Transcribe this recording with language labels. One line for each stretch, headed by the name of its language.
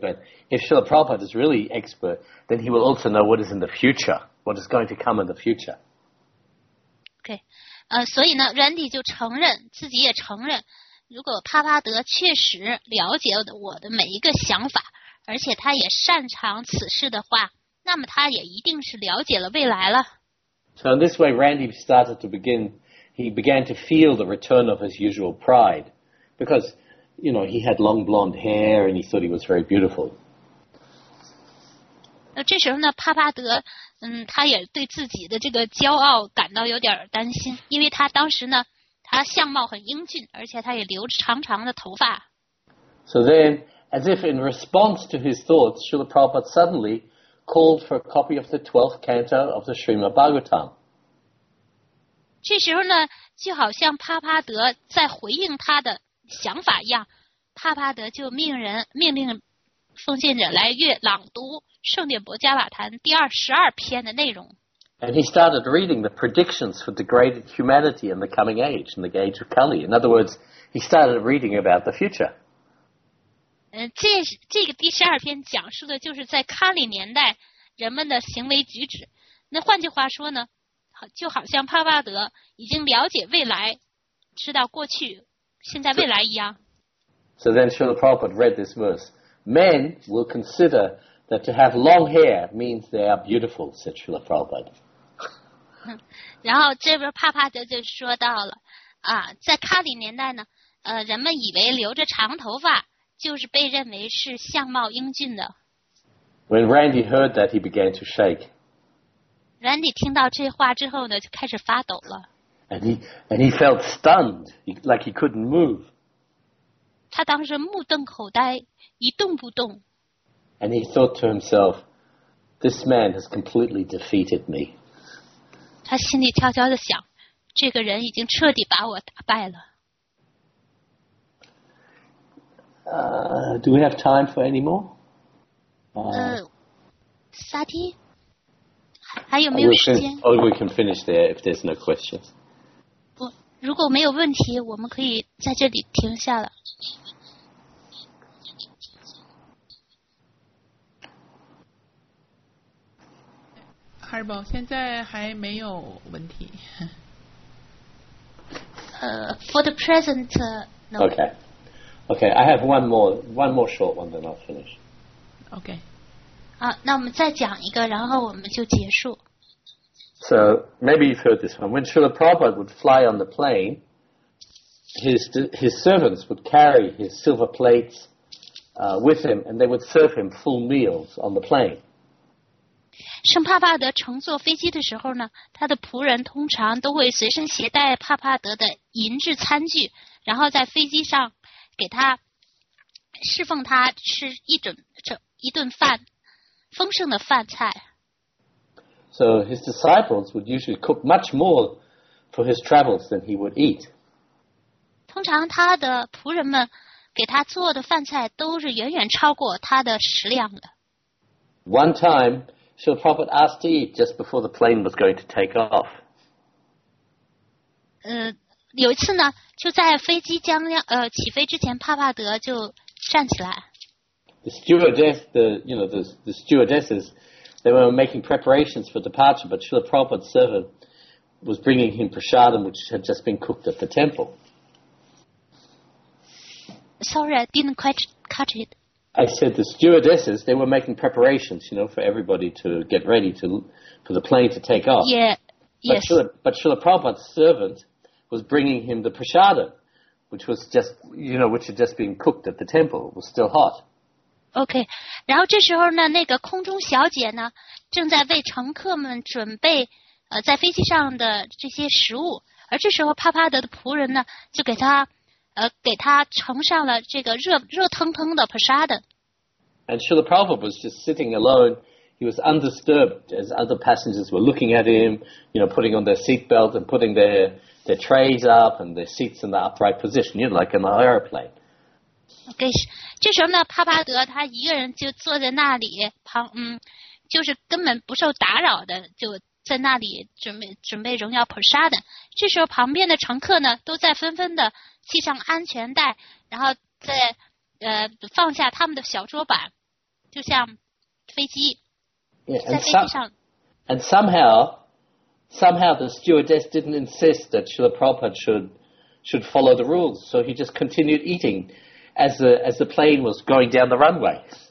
English: But if Srila Prabhupada is really expert, then he will also know what is in the future, what is going to come in the future. Okay.
Chinese: 所以呢 Randy 就承认，自己也承认，如果帕帕德确实了解我的每一个想法，而且他也擅长此事的话，那么他也一定是了解了未来了。
English: So in this way, Randy started to begin. He began to feel the return of his usual pride, because, you know, he had long blonde hair and he thought he was very beautiful.
Chinese: 这时候呢，帕帕德，他也对自己的这个骄傲感到有点担心，因为他当时呢，他相貌很英俊，而且他也留着长长的头发。
English: So then, as if in response to his thoughts, Srila Prabhupada suddenly. Called for a copy of the 12th canto of the Srimad Bhagavatam.
Chinese: 这时候呢，就好像帕帕德在回应他的想法一样，帕帕德就命令奉献者来阅读圣典薄伽瓦坛第22篇的内容。
English: And he started reading the predictions for degraded humanity in the coming age, in the age of Kali. In other words, he started reading about the future.
Chinese: 这个第十二篇讲述的就是在卡里年代人们的行为举止。那换句话说呢，就好像帕巴德已经了解未来，知道过去、现在、未来一样。
English: So then Srila Prabhupada read this verse. Men will consider that to have long hair means they are beautiful, said Srila Prabhupada.
Chinese: 然后这边帕巴德就说到了，在卡里年代呢，人们以为留着长头发就是被认为是相貌英俊的。
English: When Randy heard that, he began to shake.
Chinese: Randy 听到这话之后呢，就开始发抖了。
English: And he felt stunned, like he couldn't move.
Chinese: 他当时目瞪口呆，一动不动。
English: And he thought to himself, "This man has completely defeated me."
Chinese: 他心里悄悄地想，这个人已经彻底把我打败了。
English: Do we have time for any more?
Chinese: Sati? 还有没有时间
English: Or we can finish there if there's no questions.
Chinese: 如果没有问题我们可以在这里停下了。 Harbo, 现在还没有问题。
English: For the present, no. Okay. Okay, I have one more short one, then I'll finish. Okay.
Chinese: 好，那我们再讲一个，然后我们就结束。
English: So, maybe you've heard this one. When Srila Prabhupada would fly on the plane, his servants would carry his silver plates with him, and they would serve him full meals on the plane.
Chinese: 圣帕帕德乘坐飞机的时候呢，他的仆人通常都会随身携带帕帕德的银质餐具，然后在飞机上给他侍奉他吃一顿饭，丰盛的饭菜。
English: So his disciples would usually cook much more for his travels than he would eat.
Chinese: 通常他的仆人们给他做的饭菜都是远远超过他的食量的。
English: One time, Srila Prabhupada asked to eat just before the plane was going to take off.
Chinese: 有一次呢，就在飞机将要起飞之前，帕帕德就站起来。
English: The stewardess, the stewardesses, they were making preparations for departure, but Srila Prabhupada's servant was bringing him prasadam, which had just been cooked at the temple. Sorry, I didn't quite catch it. I said the stewardesses, they were making preparations, for everybody to get ready for the plane to take off. Yeah, but yes. Srila Prabhupada's servant. Was bringing him the prasadam, which was just, which had just been cooked at the temple. It was still hot. Okay.
Chinese: 然后这时候呢，那个空中小姐呢，正在为乘客们准备在飞机上的这些食物。而这时候，帕帕德的仆人呢，就给他盛上了这个热腾腾的 prasadam.
English: And Srila Prabhupada was just sitting alone. He was undisturbed as other passengers were looking at him, putting on their seat belt and putting their trays up and their seats in the upright position, like an airplane.
Chinese: Okay, 这时候呢，帕帕德他一个人就坐在那里旁，就是根本不受打扰的，就在那里准备荣耀普沙的。这时候旁边的乘客呢，都在纷纷的系上安全带，然后再放下他们的小桌板，就像飞机
English: yeah,
Chinese: 在飞机上。
English: And somehow the stewardess didn't insist that Srila Prabhupada should follow the rules, so he just continued eating as the plane was going down the runway.